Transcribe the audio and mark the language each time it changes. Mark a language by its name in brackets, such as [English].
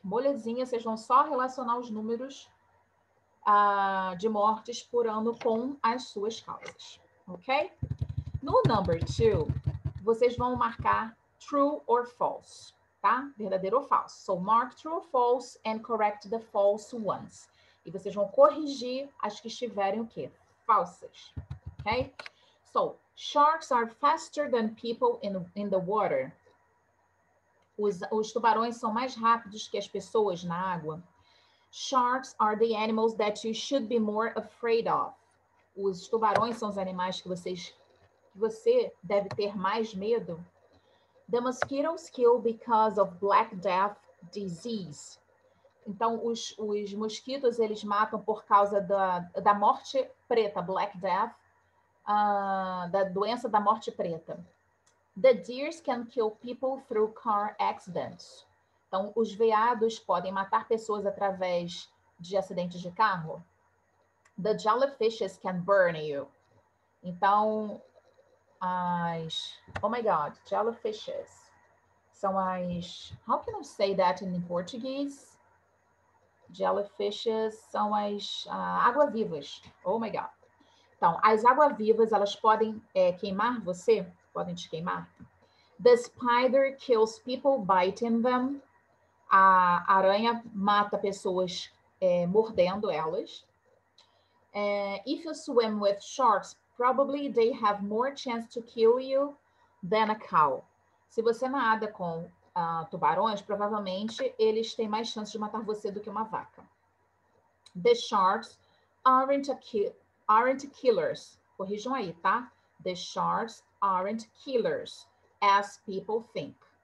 [Portuguese] Molezinha, vocês vão só relacionar os números de mortes por ano com as suas causas. Ok? [English] No number 2, [Portuguese] vocês vão marcar [English] true or false, tá? [Portuguese] Verdadeiro ou falso. [English] So, mark true or false and correct the false ones. [Portuguese] E vocês vão corrigir as que estiverem o quê? Falsas, ok? [English] So, sharks are faster than people in the water. [Portuguese] Os tubarões são mais rápidos que as pessoas na água. [English] Sharks are the animals that you should be more afraid of. [Portuguese] Os tubarões são os animais que você deve ter mais medo. [English] The mosquitoes kill because of Black Death disease. [Portuguese] Então, os mosquitos, eles matam por causa da morte preta, Black Death, da doença da morte preta. [English] The deers can kill people through car accidents. [Portuguese] Então, os veados podem matar pessoas através de acidentes de carro. [English] The jellyfishes can burn you. [Portuguese] Então, as... [English] Oh, my God. Jellyfishes. [Portuguese] São as... [English] How can I say that in Portuguese? [Portuguese] Jellyfishes são as água-vivas. [English] Oh, my God. [Portuguese] Então, as água-vivas, elas podem queimar você. Podem te queimar. [English] The spider kills people biting them. [Portuguese] A aranha mata pessoas mordendo elas. [English] If you swim with sharks, probably they have more chance to kill you than a cow. [Portuguese] Se você nada com tubarões, provavelmente eles têm mais chance de matar você do que uma vaca. [English] The sharks aren't killers. [Portuguese] Corrijam aí, tá? [English] The sharks aren't killers, as people think.